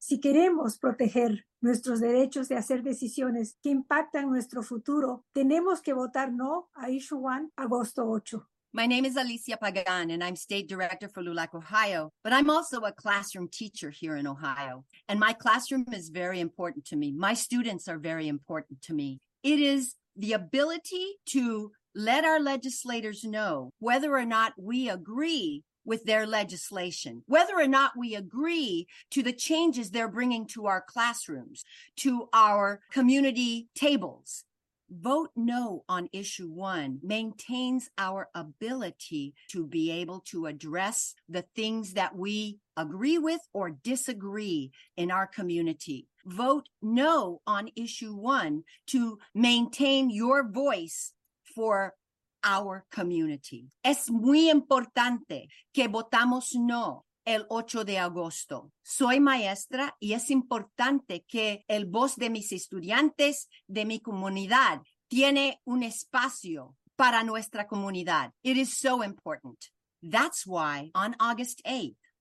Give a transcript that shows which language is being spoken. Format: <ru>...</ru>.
<es>Si queremos proteger nuestros derechos de hacer decisiones que impactan nuestro futuro, tenemos que votar no a issue one, agosto 8.</es> <en>My name is Alicia Pagan, and I'm state director for LULAC, Ohio, but I'm also a classroom teacher here in Ohio. And my classroom is very important to me. My students are very important to me. It is the ability to let our legislators know whether or not we agree with their legislation, whether or not we agree to the changes they're bringing to our classrooms, to our community tables. Vote no on issue one maintains our ability to be able to address the things that we agree with or disagree in our community. Vote no on issue one to maintain your voice for our community.</en> <es>Es muy importante que votamos no el 8 de agosto. Soy maestra y es importante que el voz de mis estudiantes, de mi comunidad, tiene un espacio para nuestra comunidad.</es> <en>It is so important. That's why on August 8th.</en>